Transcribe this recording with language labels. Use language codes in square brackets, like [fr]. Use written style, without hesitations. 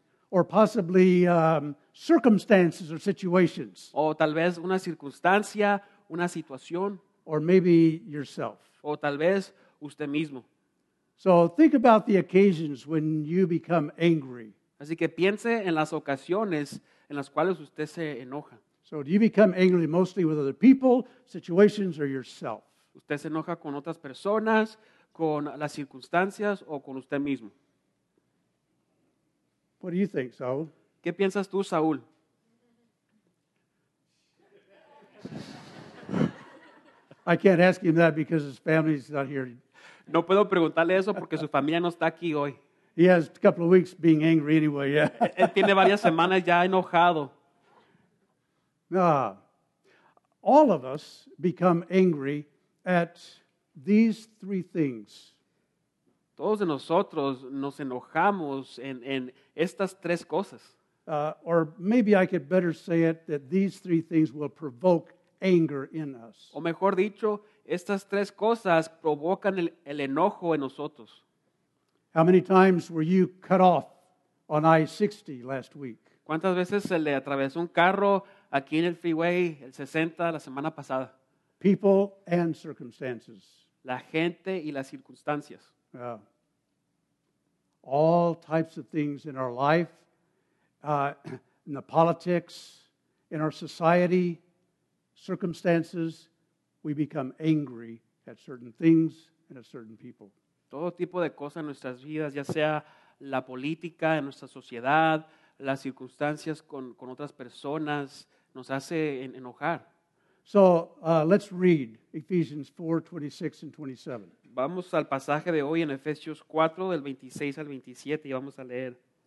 [en] Or possibly circumstances or situations. [es] O tal vez una circunstancia, una situación. [en] Or maybe yourself. [es] O tal vez usted mismo. [en] So think about the occasions when you become angry. [es] Así que piense en las ocasiones en las cuales usted se enoja. [en] So do you become angry mostly with other people, situations, or yourself? [es] ¿Usted se enoja con otras personas, con las circunstancias o con usted mismo? [en] What do you think, Saul? [es] ¿Qué piensas tú, Saúl? [en] I can't ask him that because his family's not here. [es] No puedo preguntarle eso porque su familia no está aquí hoy. [en] He has a couple of weeks being angry anyway, yeah. [es] Él tiene varias semanas ya enojado. [en] All of us become angry at these three things. [es] Todos de nosotros nos enojamos en estas tres cosas. [en] Or maybe I could better say it, that these three things will provoke anger in us. [es] O mejor dicho, estas tres cosas provocan el enojo en nosotros. [en] How many times were you cut off on I-60 last week? [es] ¿Cuántas veces se le atravesó un carro aquí en el freeway, el 60, la semana pasada? [en] People and circumstances. [es] La gente y las circunstancias. [en] Yeah. All types of things in our life, in the politics, in our society, circumstances, we become angry at certain things and at certain people. [es] Todo tipo de cosas en nuestras vidas, ya sea la política, en nuestra sociedad, las circunstancias con otras personas, nos hace enojar. [en] So, let's read Ephesians 4, 26 and 27. [es] Vamos al pasaje de hoy en Efesios 4, del 26 al 27, y vamos a leer.